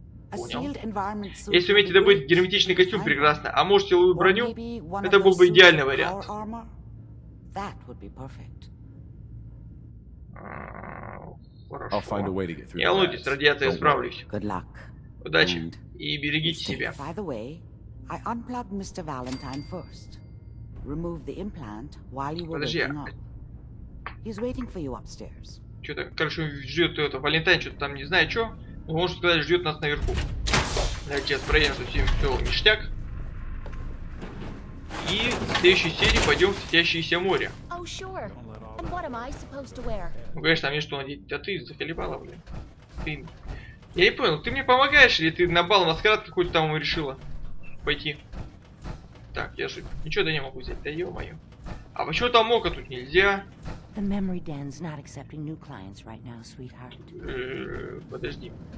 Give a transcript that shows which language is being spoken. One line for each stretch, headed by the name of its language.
Russian: Понял. Если умеете добыть герметичный костюм, прекрасно. А можете силовую броню, это был бы идеальный вариант. Хорошо. Не волнуйтесь, радиация, я справлюсь. Удачи. И берегите себя.
English: By the way, I unplugged Mr. Valentine first. Remove the implant while you were waking up. He's waiting for you upstairs.
Russian: Что-то, короче, ждет это Валентайн, что-то там не знаю, что. Но он что-то ждет нас наверху. Давайте проверим, что все ништяк. И в следующей серии пойдем в светящееся море.
English: Oh, sure. And what am I supposed to wear?
Russian: Ну, конечно, мне что надеть? А ты заколебала, блин. Ты... Я не понял, ты мне помогаешь или ты на бал маскарад какой-то там решила пойти? Так, я же ничего да не могу взять, да ё-моё. А почему там мока тут нельзя?
English: Right now,
Russian: подожди.